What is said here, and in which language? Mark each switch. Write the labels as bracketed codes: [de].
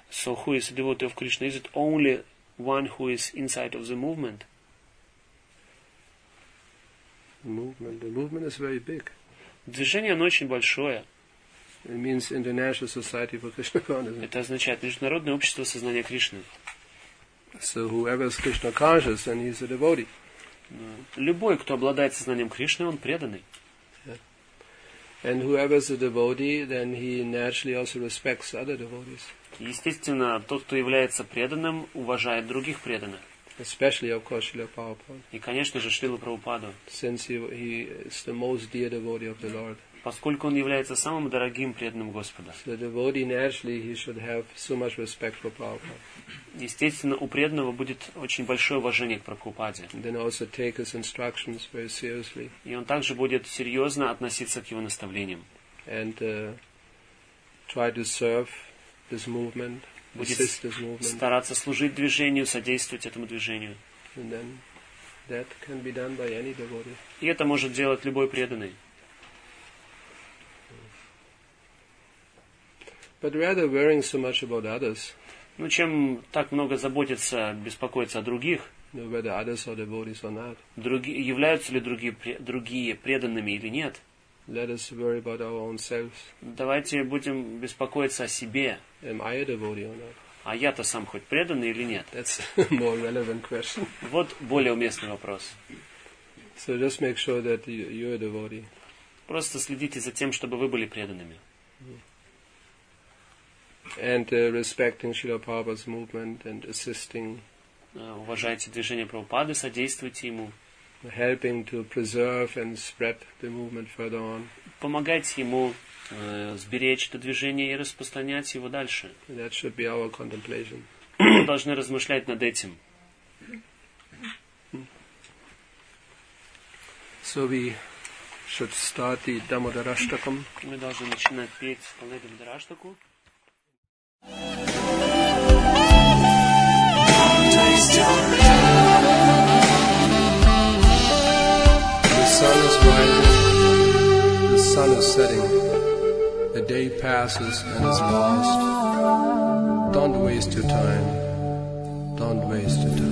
[en] So who is a devotee of Krishna? Is it only one who is inside of the movement? Yeah. movement. The movement is very big. [ru] Движение, оно очень большое. [en] It means International Society for Krishna Consciousness. [ru] Это означает Международное общество сознания Кришны. [en] So whoever is Krishna conscious, then he is a devotee. [ru] Любой, кто обладает сознанием Кришны, он преданный. [en] And whoever is a devotee, then he naturally also respects other devotees. [ru] Естественно, тот, кто является преданным, уважает других преданных. [en] Especially, of course, Śrīla Prabhupāda. [ru] И, конечно же, Śrīla Prabhupāda. [en] Since he is the most dear devotee of the Lord. [ru] Поскольку он является самым дорогим преданным Господа. [en] So the devotee naturally he should have so much respect for Prabhupāda. [ru] Естественно, у преданного будет очень большое уважение к Прабхупаде. [en] Then also take his instructions very seriously. [ru] И он также будет серьезно относиться к его наставлениям. [en] And try to serve this movement. [ru] Будет стараться служить движению, содействовать этому движению. [en] And then that can be done by any devotee. [ru] И это может делать любой преданный. [en] But rather worrying so much about others. [ru] Ну, чем так много заботиться, беспокоиться о других, [en] whether others are devotees or not. [ru] Другие, являются ли другие преданными или нет. [en] Let us worry about our own selves. [ru] Давайте будем беспокоиться о себе. [en] Am I a devotee or not? [ru] А я-то сам хоть преданный или нет? [en] That's a more relevant question. [ru] Вот более уместный вопрос. [en] So just make sure that you're a devotee. [ru] Просто следите за тем, чтобы вы были преданными. [en] And respecting Śrīla Prabhupāda's movement and assisting. [ru] Уважайте движение Прабхупады, содействуйте ему. [en] Helping to preserve and spread the movement further on. [ru] Помогайте ему сберечь это движение и распространять его дальше. [en] That should be our contemplation. [ru] Мы должны размышлять над этим. [en] So we should start the Дамодараштакам. [ru] Мы должны начинать петь Паледам Дараштаку. [en] The sun is rising, the sun is setting, the day passes and is lost. Don't waste your time, don't waste it.